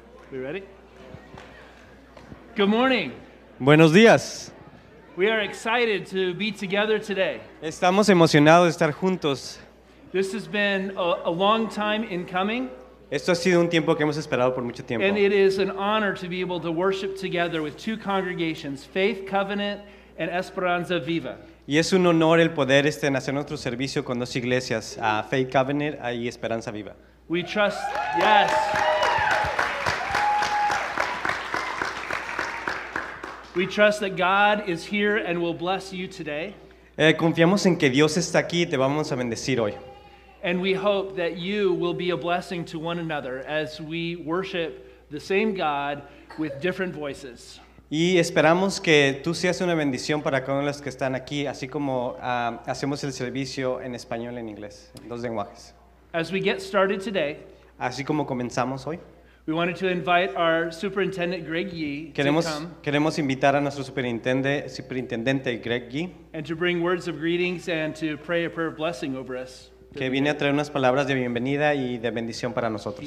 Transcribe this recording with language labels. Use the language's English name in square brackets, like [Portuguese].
[English] We ready? Good morning. [Spanish] Buenos días. [English] We are excited to be together today. [Spanish] Estamos emocionados de estar juntos. [English] This has been a long time in coming. [Spanish] Esto ha sido un tiempo que hemos esperado por mucho tiempo. [English] And it is an honor to be able to worship together with two congregations, Faith Covenant and Esperanza Viva. [Spanish] Y es un honor el poder hacer nuestro servicio con dos iglesias, Faith Covenant y Esperanza Viva. [English] We trust, yes. We trust that God is here and will bless you today. [Spanish] Confiamos en que Dios está aquí y te vamos a bendecir hoy. [English] And we hope that you will be a blessing to one another as we worship the same God with different voices. [Spanish] Y esperamos que tú seas una bendición para cada uno de los que están aquí, así como hacemos el servicio en español y en inglés, en dos lenguajes. [English] As we get started today, [Spanish] así como comenzamos hoy, [English] we wanted to invite our superintendent Greg Yee [Spanish] queremos invitar a nuestro superintendente Greg Yee, [English] and to bring words of greetings and to pray a prayer of blessing over us. [Spanish] Que viene a traer unas palabras de bienvenida y de bendición para nosotros.